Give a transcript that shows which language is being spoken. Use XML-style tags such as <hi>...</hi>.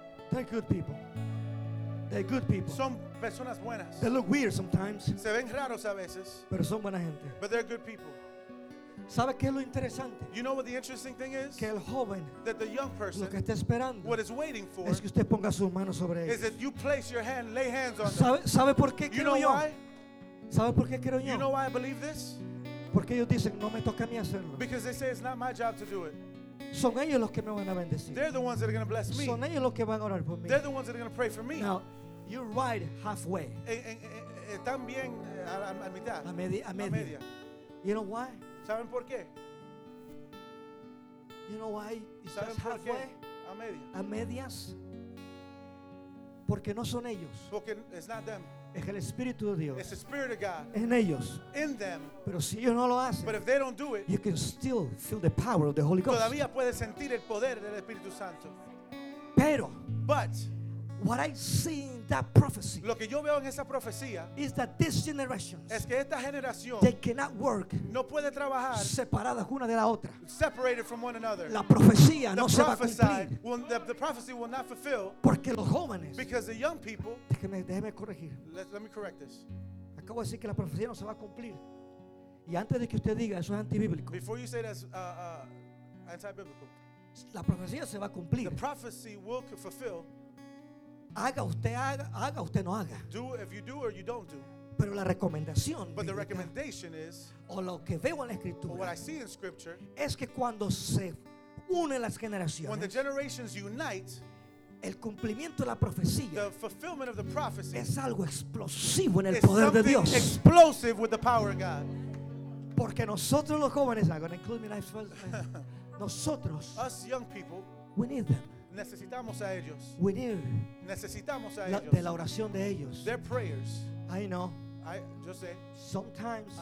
<en>They're good people. They're good people.</en> <es>Son personas buenas.</es> <en>They look weird sometimes.</en> <es>Se ven raros a veces. Pero son buena gente.</es> <en>But they're good people.</en> <es>¿Sabe qué es lo interesante?</es> <en>You know what the interesting thing is?</en> <es>Que el joven,</es> <en>that the young person,</en> <es>lo que está esperando,</es> <en>what is waiting for,</en> <es>es que usted ponga sus manos sobre ellos.</es> <en>Is that you place your hand, lay hands on them.</en> <es>¿Sabe por qué creo yo? ¿Sabe por qué creo yo?</es> <en>You know why I believe this?</en> <es>Porque ellos dicen, no me toca a mí hacerlo.</es> <en>Because they say it's not my job to do it.</en> <es>Son ellos los que me van a bendecir.</es> <en>They're the ones that are going to bless me.</en> <es>Son ellos los que van a orar por mí.</es> <en>They're the ones that are going to pray for me. Now, you're right halfway.</en> <es>Están bien a mitad. A media.</es> <en>You know why?</en> <es>¿Saben por qué?</es> <en>You know why?</en> <es>¿Saben por qué? A medias. A medias. Porque no son ellos. Porque</es> <en>it's not them.</en> <es>Es el Espíritu de Dios.</es> <en>It's the Spirit of God.</en> <es>En ellos.</es> <en>In them.</en> <es>Pero si ellos no lo hacen.</es> <en>But if they don't do it. You can still feel the power of the Holy Ghost.</en> <es>Todavía puedes sentir el poder del Espíritu Santo. Pero.</es> <en>But. What I see in that prophecy.</en> <es>Lo que yo veo en esa profecía.</es> <en>Is that this generation.</en> <es>Es que esta generación.</es> <en>They cannot work.</en> <es>No puede trabajar. Separadas una de la otra.</es> <en>Separated from one another.</en> <es>La profecía no se va a cumplir.</es> <en>The prophecy will not fulfill.</en> <es>Porque los jóvenes.</es> <en>Because the young people.</en> <es>Déjeme corregir.</es> <en>Let me correct this.</en> <es>Acabo de decir que la profecía no se va a cumplir. Y antes de que usted diga eso es antibíblico.</es> <en>Before you say that's anti-biblical.</en> <es>La profecía se va a cumplir.</es> <en>The prophecy will fulfill.</en> <es>Haga usted no haga.</es> <en>Do if you do or you don't do.</en> <es>Pero la recomendación.</es> <en>But the recommendation is.</en> <es>O lo que veo en la escritura.</es> <en>What I see in scripture.</en> <es>Es que cuando se unen las generaciones.</es> <en>When the generations unite.</en> <es>El cumplimiento de la profecía.</es> <en>The fulfillment of the prophecy.</en> <es>Es algo explosivo en el poder de Dios.</es> <en>Something explosive with the power of God.</en> <es>Porque nosotros los jóvenes,</es> <en>I'm going to include myself.</en> <es>Nosotros.</es> <en>Us young people. We need them.</en> <es>Necesitamos a ellos.</es> <en>We need.</en> <es>Necesitamos a ellos. De la oración de ellos.</es> <en>Their prayers. I know.</en> <es>Yo sé.</es> <en>Sometimes.</en>